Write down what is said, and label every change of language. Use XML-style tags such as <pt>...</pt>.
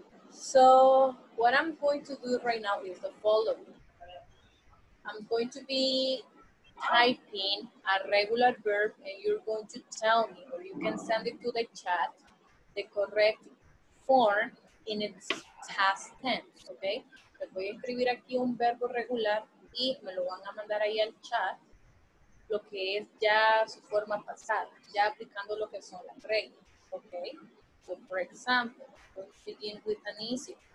<en>So, what I'm going to do right now is the following. I'm going to be typing a regular verb and you're going to tell me, or you can send it to the chat, the correct form in its past tense, okay?</en> <es>Les voy a escribir aquí un verbo regular y me lo van a mandar ahí al chat, lo que es ya su forma pasada, ya aplicando lo que son las reglas, okay?</es> <en>So for example, we'll begin with an easy.</en>